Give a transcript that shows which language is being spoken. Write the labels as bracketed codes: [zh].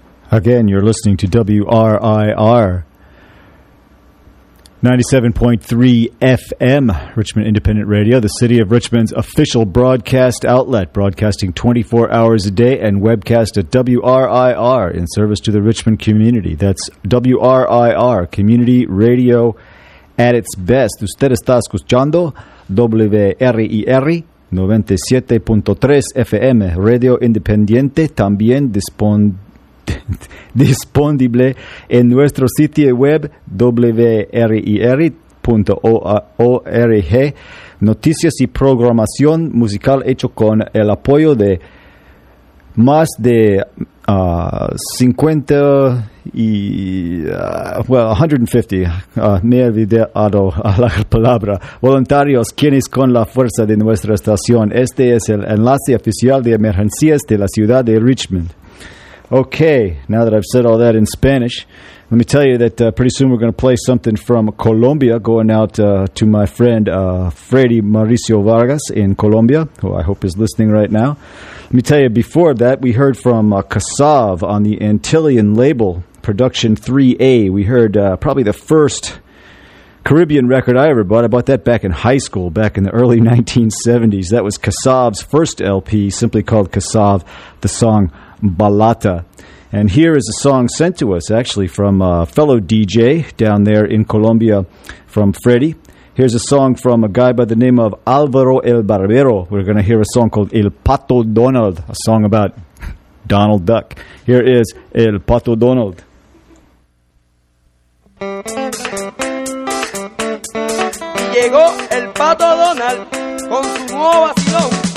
[en] Again, you're listening to WRIR 97.3 FM, Richmond Independent Radio, the city of Richmond's official broadcast outlet, broadcasting 24 hours a day and webcast at WRIR in service to the Richmond community. That's WRIR, community radio at its best. [es] Usted está escuchando WRIR 97.3 FM, Radio Independiente, también disponible en nuestro sitio web wrir.org. Noticias y programación musical hecho con el apoyo de más de 150 voluntarios, quienes con la fuerza de nuestra estación. Este es el enlace oficial de emergencias de la ciudad de Richmond. [en] Okay, now that I've said all that in Spanish, let me tell you that pretty soon we're going to play something from Colombia, going out to my friend Freddy Mauricio Vargas in Colombia, who I hope is listening right now. Let me tell you, before that, we heard from Kassav on the Antillean label, Production 3A. We heard probably the first Caribbean record I ever bought. I bought that back in high school, back in the early 1970s. That was Kassav's first LP, simply called Kassav, the song Balata. And here is a song sent to us, actually, from a fellow DJ down there in Colombia, from Freddy. Here's a song from a guy by the name of Alvaro El Barbero. We're going to hear a song called El Pato Donald, a song about Donald Duck. Here is El Pato Donald. [es] Llegó El Pato Donald con su nuevo vacilón.